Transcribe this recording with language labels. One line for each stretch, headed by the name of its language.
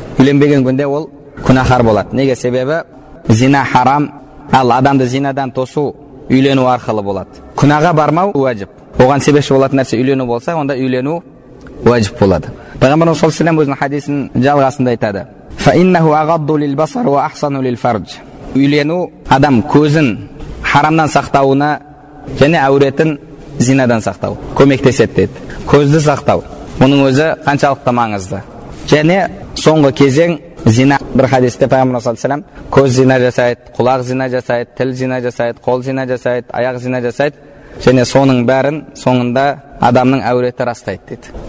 Kazakh: Үйленбеген күнде ол күнәһар болады. Неге? Себебі зина харам, ал адамды зинадан тосу үйлену арқылы болады. Күнәға бармау уәжіп. Оған себепші болатын нәрсе үйлену болса, онда үйлену уәжіп болады. Пайғамбарымыз саллаллаһу алейхи ва саллям өзінің хадисін жалғасында айтады.
Arabic: فإنه أغض للبصر وأحسن للفرج.
Kazakh: Үйлену адам көзін харамнан сақтауына және әуретін зинадан сақтау көмектеседі деді. Көзді сақтау оның өзі қаншалықты маңызды. Және соңғы кезең зина. Бір хадисте Пайғамбарымыз саллаллаһу алейхи ва саллям көз зина жасайды, құлақ зина жасайды, тіл зина жасайды, қол зина жасайды, аяқ зина жасайды және соның бәрін соңында адамның әуреті растайды деді.